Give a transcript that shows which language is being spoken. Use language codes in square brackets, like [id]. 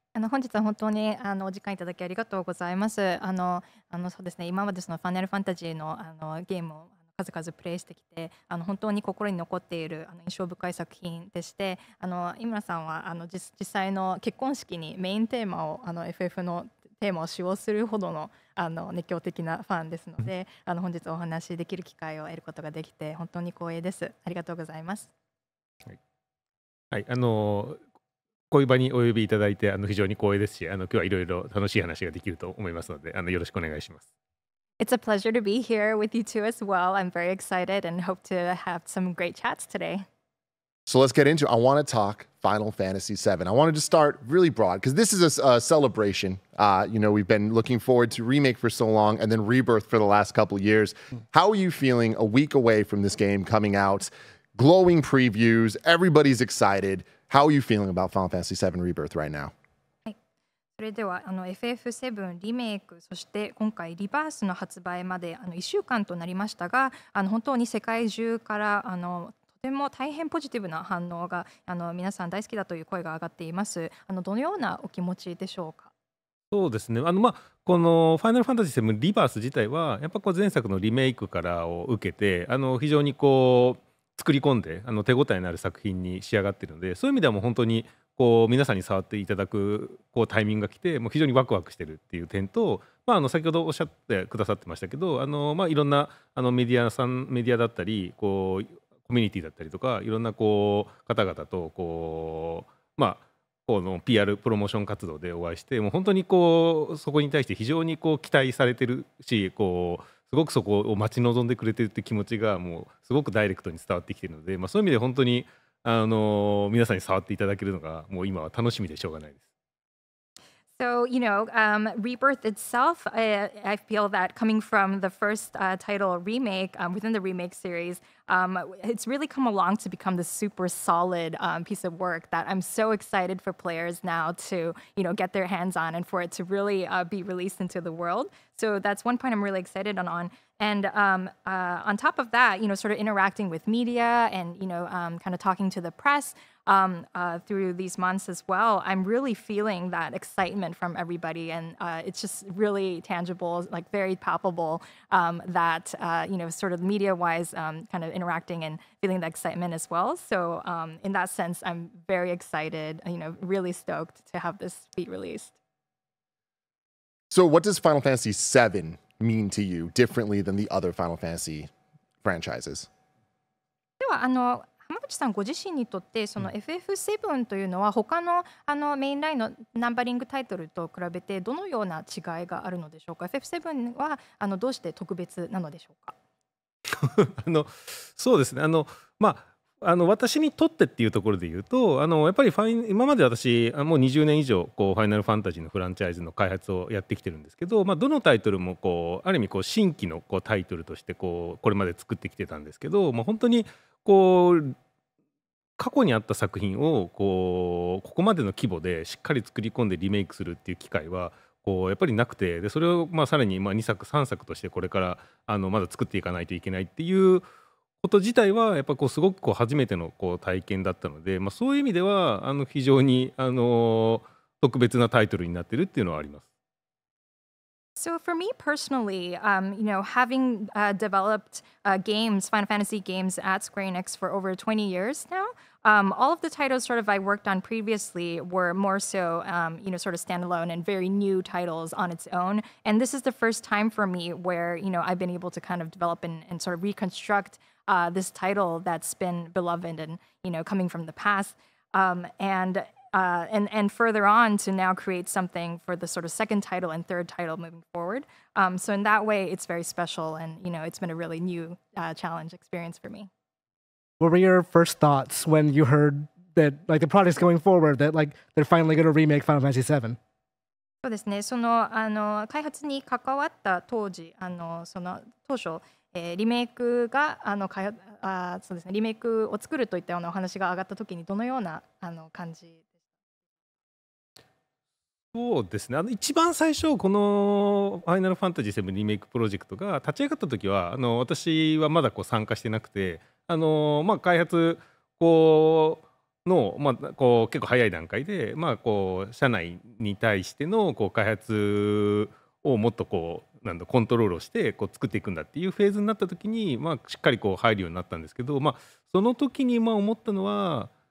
[ja] 本日は本当にお時間いただきありがとうございます。そうですね、今までそのファイナルファンタジーのゲームを数々プレイしてきて本当に心に残っている印象深い作品でして、井村さんは実際の結婚式にメインテーマをFF のテーマを使用するほどの熱狂的なファンですので、本日お話しできる機会を得ることができて本当に光栄です。ありがとうございます。はい、こういう場にお呼びいただいて非常に光栄ですし、今日はいろいろ楽しい話ができると思いますので、よろしくお願いします。 [en] It's a pleasure to be here with you two as well. I'm very excited and hope to have some great chats today. So let's get into it. I want to talk Final Fantasy VII. I wanted to start really broad because this is a celebration. We've been looking forward to Remake for so long and then Rebirth for the last couple of years. How are you feeling a week away from this game coming out? Glowing previews. Everybody's excited. How are you feeling about Final Fantasy VII Rebirth right now? [ja] それでは FF7 リメイク、そして今回リバースの発売まで1週間となりましたが、本当に世界中からとても大変ポジティブな反応が皆さん大好きだという声が上がっています。どのようなお気持ちでしょうか。そうですね、このファイナルファンタジー7リバース自体はやっぱこう前作のリメイクからを受けて非常にこう作り込んで手応えのある作品に仕上がっているので、そういう意味ではもう本当にこう皆さんに触っていただくこうタイミングが来て、もう非常にワクワクしてるっていう点と、先ほどおっしゃってくださってましたけど、いろんなメディアさん、メディアだったりこうコミュニティだったりとか、いろんなこう方々とこう、この PR プロモーション活動でお会いして、もう本当にこうそこに対して非常にこう期待されてるし、こうすごくそこを待ち望んでくれてるって気持ちがもうすごくダイレクトに伝わってきてるので、そういう意味で本当に皆さんに触っていただけるのがもう今は楽しみでしょうがないです。 [en] So, you know, Rebirth itself, I feel that coming from the first title remake within the remake series, it's really come along to become this super solid piece of work that I'm so excited for players now to, get their hands on and for it to really be released into the world. So that's one point I'm really excited on. And on top of that, sort of interacting with media and, kind of talking to the press through these months as well, I'm really feeling that excitement from everybody. And it's just really tangible, like very palpable that, sort of media-wise kind of interacting and feeling the excitement as well. So in that sense, I'm very excited, really stoked to have this be released. So what does Final Fantasy VII mean to you differently than the other Final Fantasy franchises? [ja] では浜口さんご自身にとって、その FF7 というのは他のメインラインのナンバリングタイトルと比べてどのような違いがあるのでしょうか。 FF7 はどうして特別なのでしょうか。そうですね。あの私にとってっていうところで言うと、あのやっぱり今まで私もう20年以上こうファイナルファンタジーのフランチャイズの開発をやってきてるんですけど、まあ、どのタイトルもこうある意味こう新規のこうタイトルとして これまで作ってきてたんですけど、もう本当にこう過去にあった作品をこうここまでの規模でしっかり作り込んでリメイクするっていう機会はこうやっぱりなくて、でそれをまあさらにまあ2作3作としてこれからあのまだ作っていかないといけないっていうこと自体はやっぱりすごくこう初めてのこう体験だったので、まあ、そういう意味ではあの非常にあの特別なタイトルになってるっていうのはあります。 [en] So for me personally, you know, having developed games, Final Fantasy games at Square Enix for over 20 years now, all of the titles sort of I worked on previously were more so, you know, sort of standalone and very new titles on its own. And this is the first time for me where, you know, I've been able to kind of develop and sort of reconstruct this title that's been beloved and, you know, coming from the past. And further on to now create something for the sort of second title and third title moving forward. So in that way, it's very special and, you know, it's been a really new challenge experience for me. What were your first thoughts when you heard that, like, the project's going forward, that, like, they're finally going to remake Final Fantasy VII? [ja] そうですね。その、あの、開発に関わった当時、あの、その、当初、リメイクが、あの、開発、あ、そうですね。リメイクを作るといったようなお話が上がった時にどのような、あの、感じ？そうですね、あの一番最初このファイナルファンタジー7リメイクプロジェクトが立ち上がった時はあの私はまだこう参加してなくて、あの、まあ、開発こうの、まあ、こう結構早い段階で、まあ、こう社内に対してのこう開発をもっとこうなんだコントロールをしてこう作っていくんだっていうフェーズになった時に、まあ、しっかりこう入るようになったんですけど、まあ、その時にまあ思ったのは